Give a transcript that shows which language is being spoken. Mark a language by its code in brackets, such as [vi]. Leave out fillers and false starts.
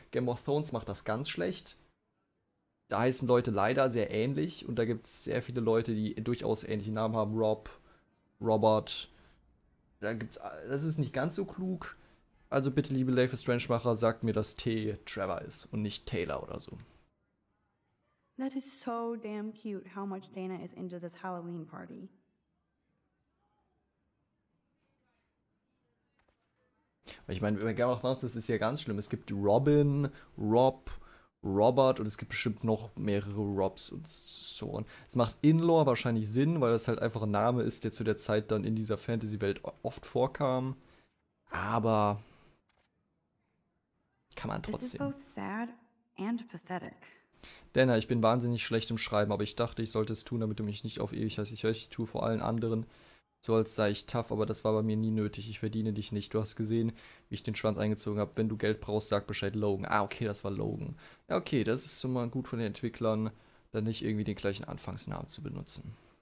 [de] Game of Thrones macht das ganz schlecht. Da heißen Leute leider sehr ähnlich und da gibt es sehr viele Leute, die durchaus ähnliche Namen haben. Rob, Robert. Da gibt's, das ist nicht ganz so klug. Also bitte, liebe Leifel Strangemacher, sagt mir, dass T Trevor ist und nicht Taylor oder so. [en] That is so damn cute, how much Dana is into this Halloween party. [de] Ich meine, bei Game of Thrones, das ist ja ganz schlimm. Es gibt Robin, Rob, Robert und es gibt bestimmt noch mehrere Robs und so. Es macht In-Lore wahrscheinlich Sinn, weil das halt einfach ein Name ist, der zu der Zeit dann in dieser Fantasy-Welt oft vorkam. Aber kann man trotzdem. [en] This is both sad and pathetic. [de] Dana, ich bin wahnsinnig schlecht im Schreiben, aber ich dachte, ich sollte es tun, damit du mich nicht auf ewig hast. Ich höre, ich tue vor allen anderen so, als sei ich tough, aber das war bei mir nie nötig. Ich verdiene dich nicht. Du hast gesehen, wie ich den Schwanz eingezogen habe. Wenn du Geld brauchst, sag Bescheid, Logan. Ah, okay, das war Logan. Ja, okay, das ist schon mal gut von den Entwicklern, dann nicht irgendwie den gleichen Anfangsnamen zu benutzen.